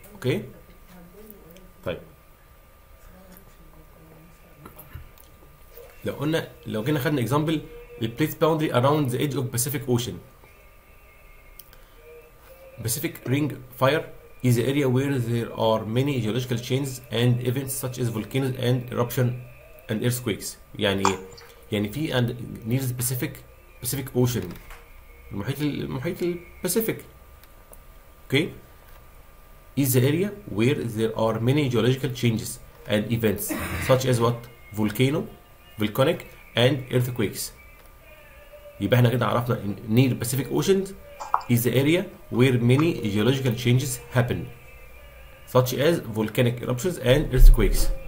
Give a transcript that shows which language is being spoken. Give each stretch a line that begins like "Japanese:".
Arabic: اوكي طيب لو قلنا لو جينا خدنا اكزامبل
English: the plate boundary around the edge of Pacific Ocean. Pacific Ring Fire is the area where there are many geological changes and events such as volcanoes and eruption and earthquakes.
Arabic: يعني ايه؟ يعني في
English: and near the Pacific Ocean
Arabic: المحيط الباسيفيك.
English: Okay. Is the area where there are many geological changes and events such as what? Volcano, volcanic and earthquakes.
Arabic: يبقى احنا كده عرفنا ان
English: near Pacific Ocean is the area where many geological changes happen such as volcanic eruptions and earthquakes.